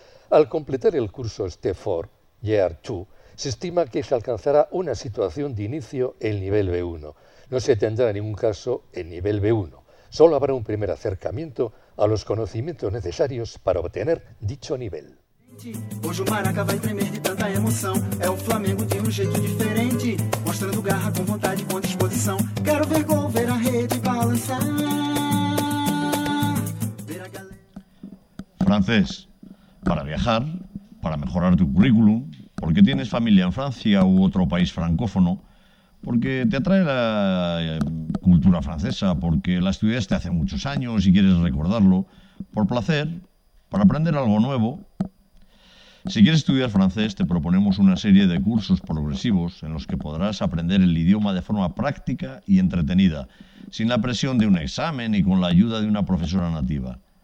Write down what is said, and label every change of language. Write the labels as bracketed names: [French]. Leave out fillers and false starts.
[Spanish] Al completar el curso Step 4, Year 2, se estima que se alcanzará una situación de inicio en nivel B1. No se tendrá en ningún caso en nivel B1. Solo habrá un primer acercamiento a los conocimientos necesarios para obtener dicho nivel. [Portuguese] Hoje o Maraca vai tremer de tanta emoção. É o Flamengo de um jeito diferente, mostrando garra com vontade e com disposição. Quero ver gol, ver a rede balançar. Ver a galera. [Spanish] Francês, para viajar, para mejorar tu currículum. Porque tienes familia en Francia u otro país francófono, porque te atrae la cultura francesa, porque la estudiaste hace muchos años y quieres recordarlo, por placer, para aprender algo nuevo. Si quieres estudiar francés, te proponemos una serie de cursos progresivos en los que podrás aprender el idioma de forma práctica y entretenida, sin la presión de un examen y con la ayuda de una profesora nativa.